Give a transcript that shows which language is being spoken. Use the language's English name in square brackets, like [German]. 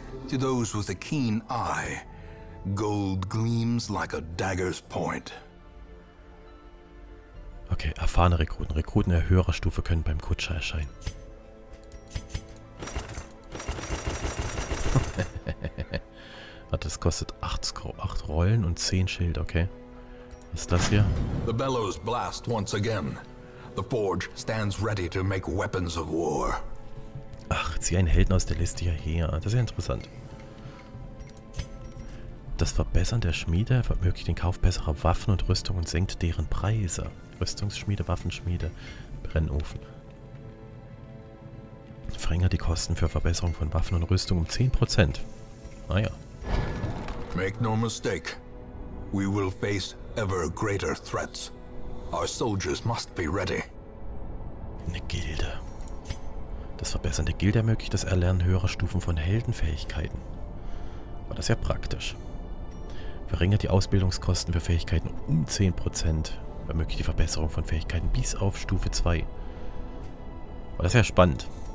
[English] To those with a keen eye, gold gleams like a dagger's point. [German] Okay, erfahrene Rekruten. Rekruten der höherer Stufe können beim Kutscher erscheinen. Das kostet 8 Rollen und 10 Schild, okay. Was ist das hier? [English] The bellows blast once again. The forge stands ready to make weapons of war. [German] Ach, zieh einen Helden aus der Liste hierher. Das ist ja interessant. Das Verbessern der Schmiede ermöglicht den Kauf besserer Waffen und Rüstung und senkt deren Preise. Rüstungsschmiede, Waffenschmiede, Brennofen. Verringert die Kosten für Verbesserung von Waffen und Rüstung um 10%. Ah ja. [English] Make no mistake. We will face ever greater threats. Our soldiers must be ready. [German] Eine Gilde. Das Verbessern der Gilde ermöglicht das Erlernen höherer Stufen von Heldenfähigkeiten. War das ja praktisch. Verringert die Ausbildungskosten für Fähigkeiten um 10%. Ermöglicht die Verbesserung von Fähigkeiten bis auf Stufe 2. War das ja spannend.